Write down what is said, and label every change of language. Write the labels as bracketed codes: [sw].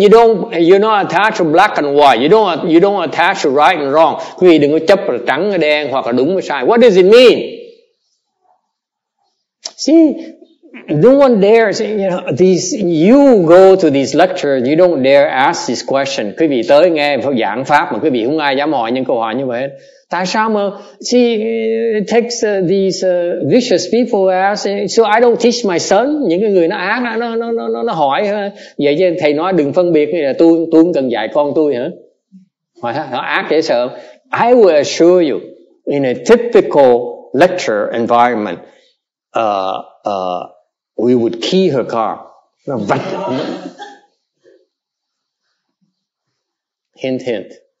[en] You don't, you're not attached to black and white. You don't attach to right and wrong. [vi] Quý vị đừng có chấp là trắng hay đen hoặc là đúng hay sai. [en] What does it mean? See, no one dares, you know, these, you go to these lectures, you don't dare ask this question. [vi] Quý vị tới nghe giảng pháp mà quý vị không ai dám hỏi những câu hỏi như vậy. Tại sao mà, see, it takes these vicious people ask, [en] so I don't teach my son, [vi] những cái người nó ác, nó hỏi, vậy chứ thầy nói đừng phân biệt, tôi không cần dạy con tôi hả? Hỏi nó ác dễ sợ. [en] I will assure you, in a typical lecture environment, we would key her car. Hint, hint.